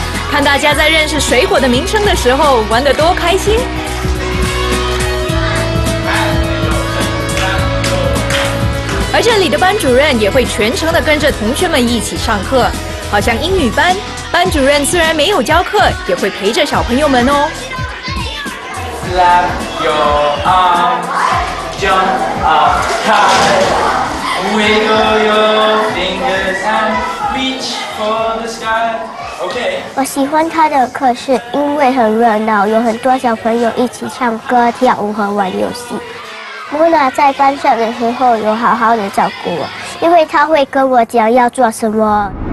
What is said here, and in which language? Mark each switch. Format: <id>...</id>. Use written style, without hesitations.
<zh>看大家在认识水果的名称的时候，玩得多开心。而这里的班主任也会全程地跟着同学们一起上课，好像英语班，班主任虽然没有教课，也会陪着小朋友们哦。</zh> <en>Slap your arm, jump up high, wiggle your fingers and reach for the sky. OK。</en> <zh>我喜欢他的课室，因为很热闹，有很多小朋友一起唱歌、跳舞和玩游戏。 Mona 在班上的时候有好好的照顾我，因为她会跟我讲要做什么。</zh>